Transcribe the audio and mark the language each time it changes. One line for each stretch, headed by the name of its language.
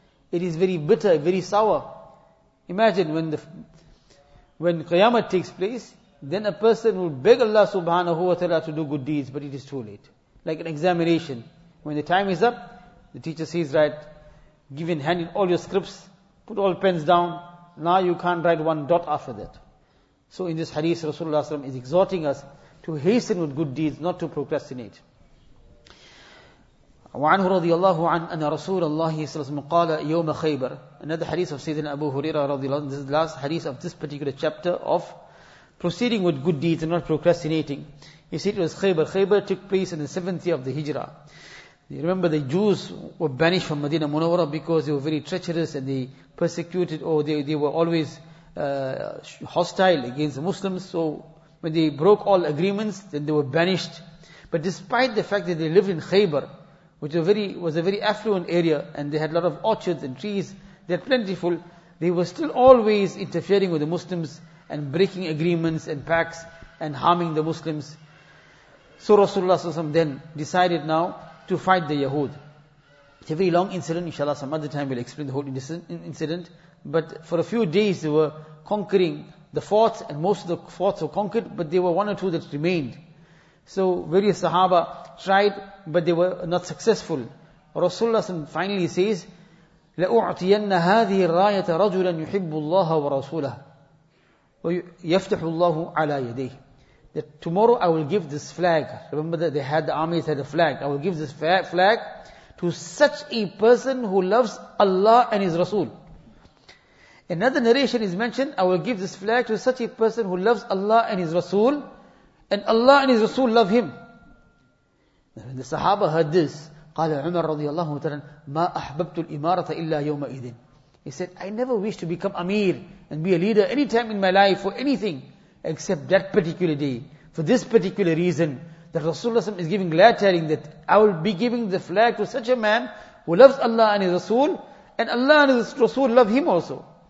English: It is very bitter, very sour. Imagine when Qiyamah takes place, then a person will beg Allah subhanahu wa ta'ala to do good deeds, but it is too late. Like an examination. When the time is up, The teacher says, right, give in hand all your scripts, put all pens down, now you can't write one dot after that. So in this hadith, Rasulullah is exhorting us to hasten with good deeds, not to procrastinate.
Arabic: وعنه رضي الله عن أن رسول الله صلى الله عليه وسلم قال يوم خيبر.
English: Another hadith of Sayyidina Abu Huraira
Arabic: رضي الله عنه.
English: This is the last hadith of this particular chapter of proceeding with good deeds and not procrastinating. He said it was Khaybar. Khaybar took place in the 7th year of the Hijrah. You remember the Jews were banished from Medina Munawwara because they were very treacherous and they persecuted, or they were always hostile against the Muslims. So when they broke all agreements, then they were banished. But despite the fact that they lived in Khaybar, which was a very affluent area, and they had a lot of orchards and trees, they had plentiful, they were still always interfering with the Muslims and breaking agreements and pacts and harming the Muslims. So Rasulullah then decided now to fight the Yahud. It's a very long incident, inshallah some other time we'll explain the whole incident. But for a few days they were conquering the forts, and most of the forts were conquered, but there were one or two that remained. So various Sahaba tried, but they were not successful. Rasulullah finally says,
Arabic: لَأُعْتِيَنَّ هَذِهِ الرَّايَةَ رَجُلًا يُحِبُّ اللَّهَ وَرَسُولَهُ وَيَفْتَحُ اللَّهُ عَلَى يَدَيْهِ.
English: That tomorrow I will give this flag. Remember that they had the armies had a flag. I will give this flag to such a person who loves Allah and his Rasul. Another narration is mentioned, I will give this flag to such a person who loves Allah and his Rasul, and Allah and his Rasul love him. When the Sahaba heard this,
Arabic: قال عمر رضي الله تعالى ما أحببت الإمارة إلا يومئذ.
English: He said, I never wish to become Amir and be a leader any time in my life for anything except that particular day. For this particular reason, that Rasulullah is giving glad tidings that I will be giving the flag to such a man who loves Allah and his Rasul, and Allah and his Rasul love him also.